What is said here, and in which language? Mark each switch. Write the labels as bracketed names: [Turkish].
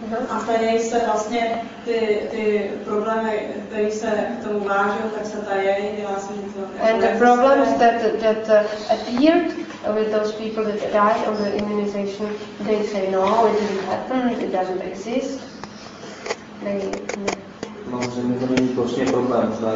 [Czech] A tady se vlastně ty problémy, které se k tomu vážou, tak se tajejí, dělá se něco. [English] And the problems that appeared with those people that died of the immunization, they say no, it didn't happen, it doesn't exist. [Czech] No, že mi to není prostě problém,